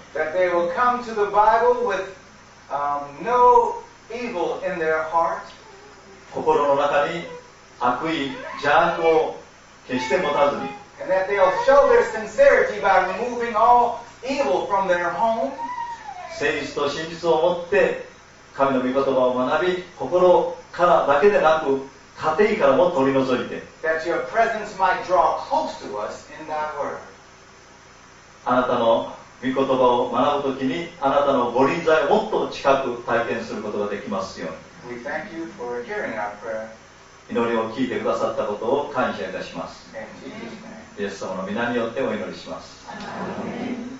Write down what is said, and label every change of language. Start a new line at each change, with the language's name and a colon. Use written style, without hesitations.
English: That they will come to the Bible with, no evil in their heart.
Japanese: 心の中に悪意、邪悪を決して持たずに。
English: And that they will show their sincerity by removing all evil from their home.
Japanese: 誠実と真実を持って神の御言葉を学び、心からだけでなく家庭からも取り除いて。
English: That your presence might draw close to us in that word.
Japanese: あなたの御言葉を学ぶときにあなたの御臨在をもっと近く体験することができますように。
English: We thank you for hearing our prayer.
Japanese: 祈りを聞いてくださったことを感謝いたします。
English: Amen.
Japanese: イエス様の御名によってお祈りします。